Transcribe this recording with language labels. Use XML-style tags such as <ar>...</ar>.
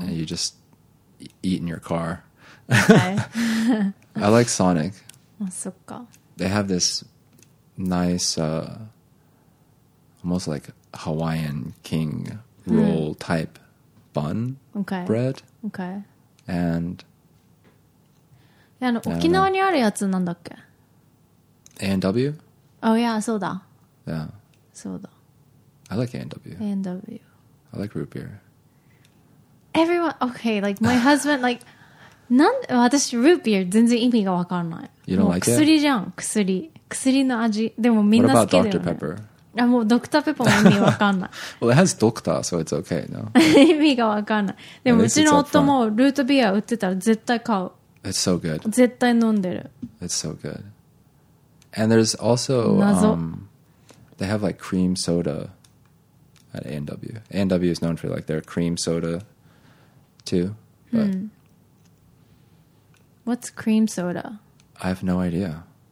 <en>And you just eat in your car. Okay. I like Sonic.</en> <ja>そっか.</ja> <en>They have this nice, almost like Hawaiian king roll type bun bread. Okay. And...</en> <ja>あの、沖縄にあるやつなんだっけ?</ja> <en>A&W? Oh, yeah,</en> <ja>そうだ.</ja> <en>Yeah.</en> <ja>そうだ.</ja> <en>I like A&W. A&W. I like root beer. Everyone, okay, like my husband, like,</en> <ja>なんで私、root beer全然意味がわかんない.</ja> <en>You don't like it?</en> <ja>薬じゃん、薬。薬の味。でもみんな好きだよね。</ja> <en>What about Dr. Pepper?</en> <ja>もうドクターペッパーも意味わかんない。</ja> <en>Well, it has doctor, so it's okay, no?</en> <ja>意味がわかんない。でもうちの夫もルートビア売ってたら絶対買う。</ja> <en>It's so good.</en> <ja>絶対飲んでる。</ja> <en>It's so good. And there's also, they have like cream soda at A&W. A&W is known for like their cream soda too. But What's cream soda? I have no idea.</en>